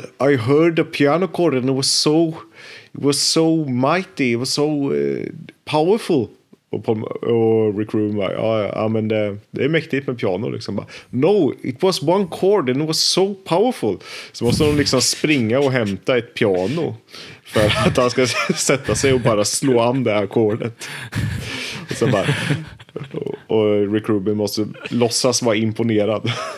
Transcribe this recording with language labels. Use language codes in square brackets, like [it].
[en] I heard the piano chord and it was so mighty, it was so powerful. [sv] Och Rick Rubin bara, ja men det är mäktigt med piano liksom. [en] No, it was one chord and it was so powerful. [sv] Så måste de liksom springa och hämta ett piano för att han ska sätta sig och bara slå an det här ackordet. Och så bara, och Rick Rubin måste låtsas vara imponerad.